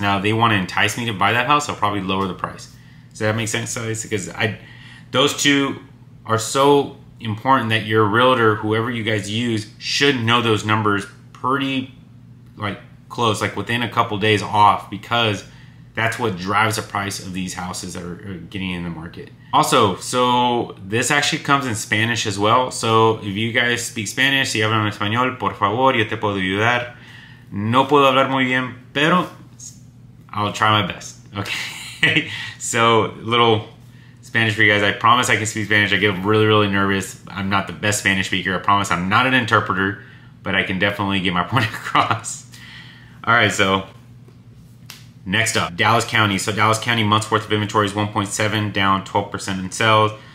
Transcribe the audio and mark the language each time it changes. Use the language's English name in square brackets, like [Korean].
[English] Now, if they want to entice me to buy that house, I'll probably lower the price. Does that make sense? So it's because those two are so important that your realtor, whoever you guys use, should know those numbers pretty like close, like within a couple days off, because that's what drives the price of these houses that are getting in the market. Also, so this actually comes in Spanish as well. So if you guys speak Spanish, [Spanish] si hablan español, por favor, yo te puedo ayudar. No puedo hablar muy bien, pero [English] I'll try my best. Okay. So little Spanish for you guys. I promise I can speak Spanish. I get really, really nervous. I'm not the best Spanish speaker. I promise I'm not an interpreter, but I can definitely get my point across. All right. So next up, Dallas County. So Dallas County months worth of inventory is 1.7, down 12% in sales.